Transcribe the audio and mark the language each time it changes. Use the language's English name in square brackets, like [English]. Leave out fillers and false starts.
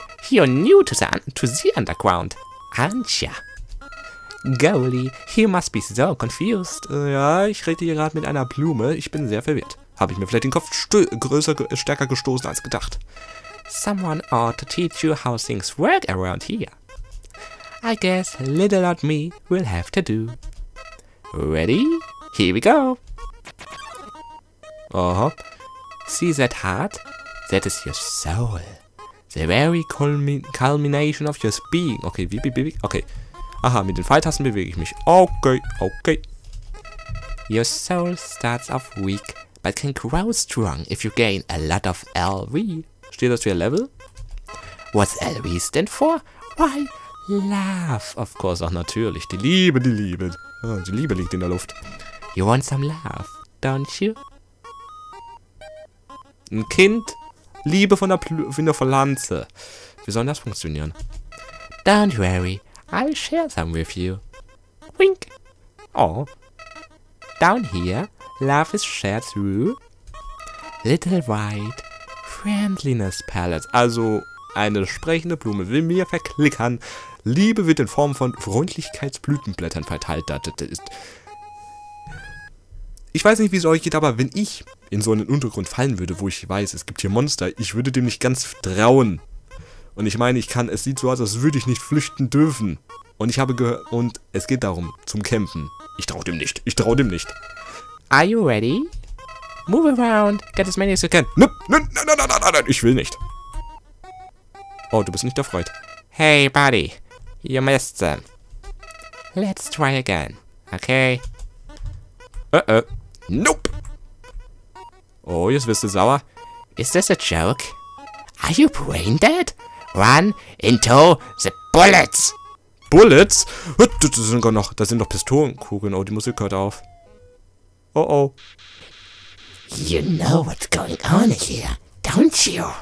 [English] You're new to the underground, aren't ya? Golly, you must be so confused. [German] Ja, ich rede hier gerade mit einer Blume. Ich bin sehr verwirrt. Habe ich mir vielleicht den Kopf stärker gestoßen als gedacht. [English] Someone ought to teach you how things work around here. I guess little old me will have to do. Ready? Here we go. Aha. See that heart? That is your soul. The very culmination of your being. Okay, okay. [German] Aha, mit den Pfeiltasten bewege ich mich. [English] Okay, okay. Your soul starts off weak, but can grow strong if you gain a lot of LV. [German] Steht das für ihr Level? [English] What's LV stand for? Why, love. Of course, [German] auch natürlich. Die Liebe, die Liebe. Oh, die Liebe liegt in der Luft. [English] You want some love, don't you? [German] Ein Kind? Liebe von der Pflanze. Wie soll das funktionieren? [English] Don't worry. I'll share some with you. Wink. Oh. Down here, love is shared through little white friendliness palette. [German] Also, eine sprechende Blume will mir verklickern. Liebe wird in Form von Freundlichkeitsblütenblättern verteilt. Das ist. Ich weiß nicht, wie es euch geht, aber wenn ich in so einen Untergrund fallen würde, wo ich weiß, es gibt hier Monster, ich würde dem nicht ganz trauen. Und ich meine, es sieht so aus, als würde ich nicht flüchten dürfen. Und ich habe gehört, und es geht darum, zum Kämpfen. Ich trau dem nicht. [English] Are you ready? Move around, get as many as you can. [German] Nein, ich will nicht. Oh, du bist nicht erfreut. [English] Hey, buddy, you missed them. Let's try again, okay? [German] Nope. Oh, jetzt wirst du sauer. [English] Is this a joke? Are you brain dead? Run into the bullets. Bullets? [German] Das sind doch Pistolenkugeln. Oh, die Musik hört auf. Oh, oh. [English] You know what's going on here, don't you?